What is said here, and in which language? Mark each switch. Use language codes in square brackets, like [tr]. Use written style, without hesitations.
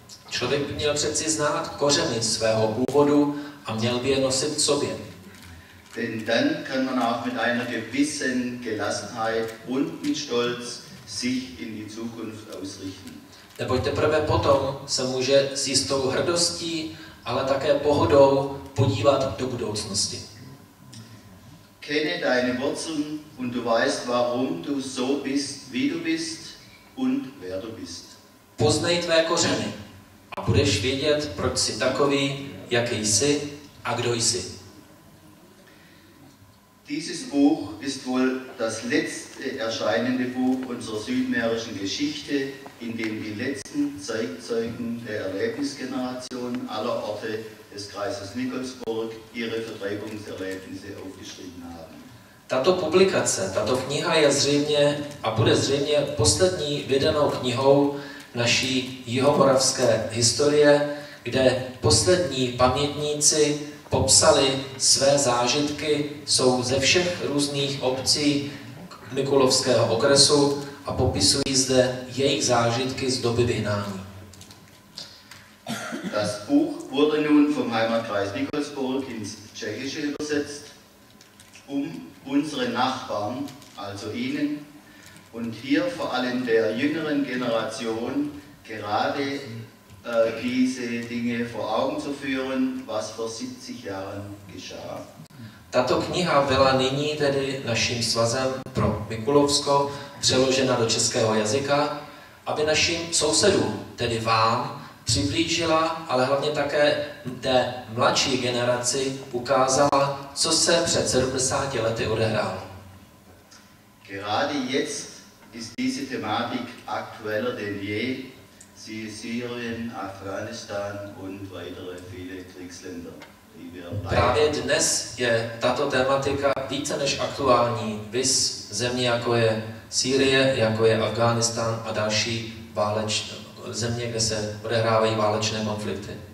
[cs] Člověk by měl přeci znát kořeny svého původu a měl by je nosit v sobě. [de] Denn dann kann man auch mit einer gewissen Gelassenheit und mit Stolz sich in die Zukunft ausrichten. [cs] Neboť teprve potom se může s jistou hrdostí, ale také pohodou podívat do budoucnosti. [de] Kenne deine Wurzeln und du weißt, warum du so bist, wie du bist und wer du bist. [cs] Poznej tvé kořeny a budeš vědět, proč jsi takový, jaký jsi a kdo jsi. [de] Dieses Buch ist wohl das letzte erscheinende Buch unserer südmährischen Geschichte, in dem die letzten Zeitzeugen der Erlebnisgeneration aller Orte des Kreises Nikolsburg ihre Vertreibungserlebnisse aufgeschrieben haben. [cs] Tato publikace, tato kniha je zřejmě a bude zřejmě poslední vydanou knihou naší jihomoravské historie, kde poslední pamětníci popsali své zážitky, jsou ze všech různých obcí Mikulovského okresu a popisují zde jejich zážitky z doby vyhnání. [de] Das Buch wurde nun vom Heimatkreis Nikolsburg ins Tschechische übersetzt, um unsere Nachbarn, also Ihnen, und hier vor allem der jüngeren Generation gerade diese Dinge vor Augen zu führen, was vor 70 Jahren geschah. [cs] Tato kniha byla nyní tedy naším svazem pro Mikulovsko přeložena do českého jazyka, aby našim sousedům, tedy vám, přiblížila, ale hlavně také té mladší generaci ukázala, co se před 70 lety odehrálo. [de] Gerade jetzt ist diese Thematik aktueller denn je. Siehe Syrien, Afghanistan und weitere viele Kriegsländer. [cs] Právě dnes je tato tematika více než aktuální, viz země jako je Sýrie, jako je Afghánistán a další země, kde se odehrávají válečné konflikty.